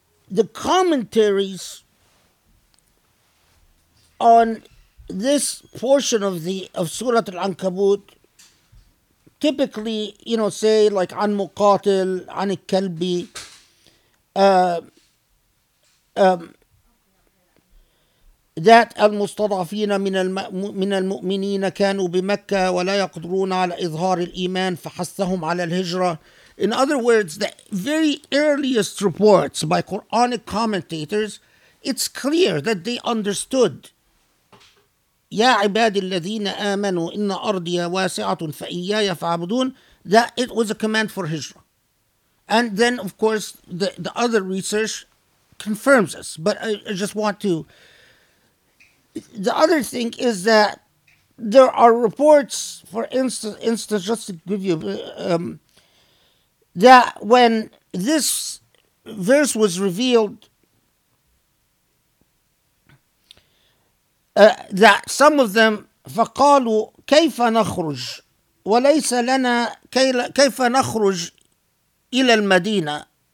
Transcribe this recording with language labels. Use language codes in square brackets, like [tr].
[en] The commentaries on this portion of the of Surah Al-Ankabut typically, you know, say like an muqatil, an kalbi, that [ar] المستضعفين من المؤمنين كانوا بمكة ولا يقدرون على إظهار الإيمان فحثهم على الهجرة. [en] In other words, the very earliest reports by Quranic commentators, it's clear that they understood. [ar] يا عباد الذين آمنوا إن أرضي واسعة فإياي فعبدون, [en] that it was a command for [ar] هجرة. [en] And then, of course, the other research confirms this. But I just want to... The other thing is that there are reports, for instance, just to give you, that when this verse was revealed, that some of them, [ar] فَقَالُوا كَيْفَ نَخْرُجْ وَلَيْسَ لَنَا كَيْفَ نَخْرُجْ إِلَى الْمَدِينَةِ.